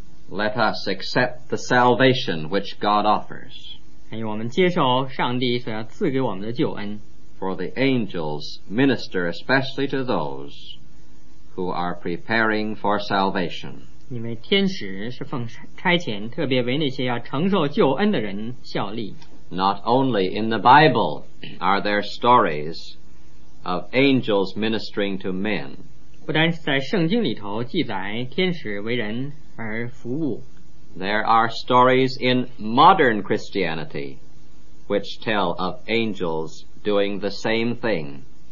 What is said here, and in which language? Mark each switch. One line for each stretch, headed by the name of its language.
English: Let us accept the salvation which God offers.
Chinese: 还有我们接受上帝所要赐给我们的救恩。
English: For the angels minister especially to those who are preparing for salvation.
Chinese: 因为天使是奉差遣特别为那些要承受救恩的人效力。
English: Not only in the Bible are there stories of angels ministering to men.
Chinese: 不单是在圣经里头记载天使为人而服务。
English: There are stories in modern Christianity which tell of angels doing the same thing.